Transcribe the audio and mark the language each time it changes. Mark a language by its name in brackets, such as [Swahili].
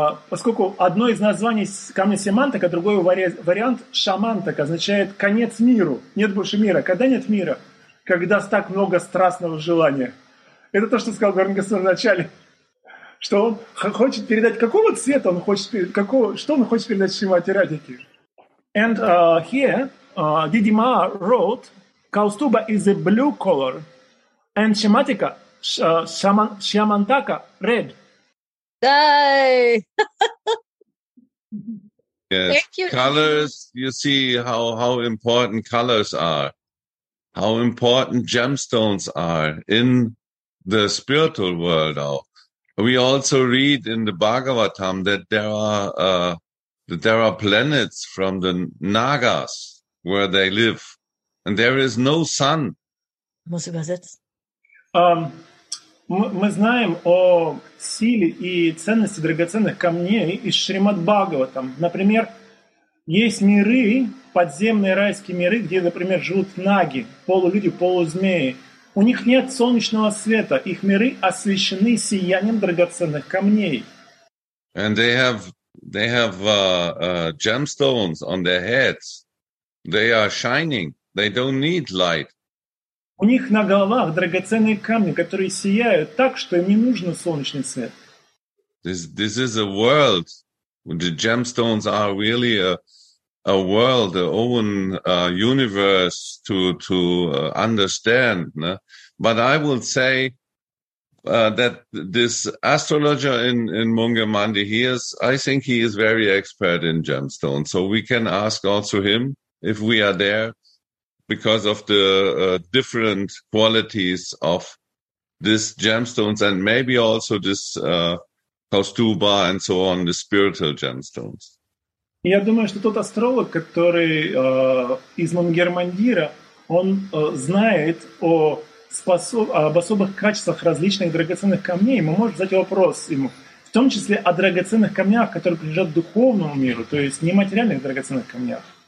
[Russian] Поскольку одно из названий камня Семантака, другой вариант Шамантака, означает конец миру, нет больше мира. Когда нет мира? Когда так много страстного желания. Это то, что сказал Гауранга Сундара в начале, что он хочет передать, какого цвета он хочет передать, что он хочет передать Шримати Радхике. [English] And here, Didima wrote, Kaustubha is a blue color, and Shamantaka, Shamantaka, red. Yes. Thank you. Colors, you see how important colors are, how important gemstones are in the spiritual world. We also read in the Bhagavatam that there are planets from the Nagas where they live. And there is no sun. [Russian] Можно сказать. Мы знаем о силе и ценности драгоценных камней из Шримад-Бхагаватам. Например, есть миры, подземные райские миры, где, например, живут наги, полулюди, полузмеи. У них нет солнечного света. Их миры освещены сиянием драгоценных камней. [English] And they have gemstones on their heads. They are shining. They don't need light. [Russian] У них на головах драгоценные камни, которые сияют так, что им не нужен солнечный свет. [English] This is a world. The gemstones are really a world, a own universe to understand. No? But I will say that this astrologer in Mungamandi, I think he is very expert in gemstones. So we can ask also him if we are there. Because of the different qualities of these gemstones, and maybe also this Kaustubha and so on, the spiritual gemstones. [Russian] Я думаю, что тот астролог, который из Мангермандира, он знает об особых качествах различных драгоценных камней. Мы можем задать вопрос ему, в том числе о драгоценных камнях, которые принадлежат духовному миру, то есть нематериальных драгоценных камнях.